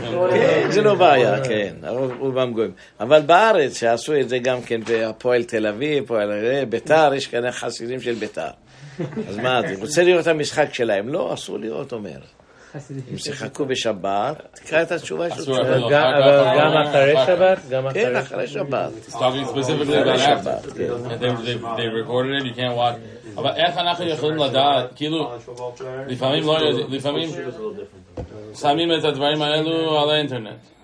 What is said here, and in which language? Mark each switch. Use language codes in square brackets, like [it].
[he] כן, זה לא בעיה, כן. רובם גויים. אבל בארץ שעשו את זה גם כן, הפועל תל אביב, פועל ביתר, יש כאן חסידים של ביתר. אז מה אתה רוצה לראות את המשחק שלהם? לא, אסור לראות, אומר. אם שיחקו בשבת, תקרא את התשובה של שבת. אבל גם אחרי שבת? כן, אחרי שבת. [en] Talking specifically about after. And they recorded it, you can't watch. [he] אבל איך אנחנו יכולים לדעת, כאילו, לפעמים לא יודעים, לפעמים שמים את הדברים האלו על האינטרנט.